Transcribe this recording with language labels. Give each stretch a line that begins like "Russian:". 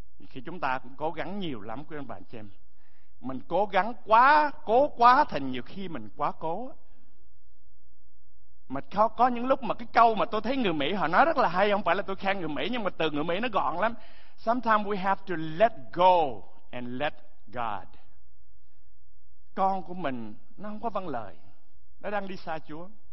Vietnamese: Khi chúng ta cũng cố gắng nhiều lắm, quý ông bà anh chị em, mình cố gắng quá, cố quá thành nhiều khi mình quá cố. Mà có những lúc mà cái câu mà tôi thấy người Mỹ họ nói rất là hay, không phải là tôi khen người Mỹ, nhưng mà từ người Mỹ nó gọn lắm.
English: Sometimes we have to let go and let God.
Vietnamese: Con của mình nó không có vâng lời, nó đang đi xa Chúa.